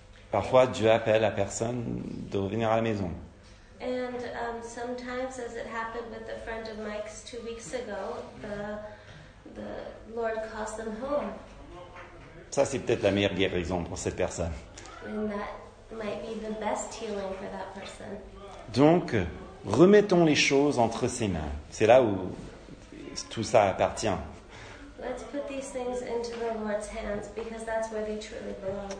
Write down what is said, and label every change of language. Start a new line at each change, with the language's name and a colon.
French: Parfois, Dieu appelle la personne de revenir à la maison.
English: And sometimes, as it happened with a friend of Mike's 2 weeks ago, the Lord calls them home.
French: Ça, c'est peut-être la meilleure guérison pour cette personne.
English: And that might be the best healing for that person.
French: Donc, remettons les choses entre ses mains. C'est là où tout ça appartient.
English: Let's put these things into the Lord's hands because that's where they truly belong.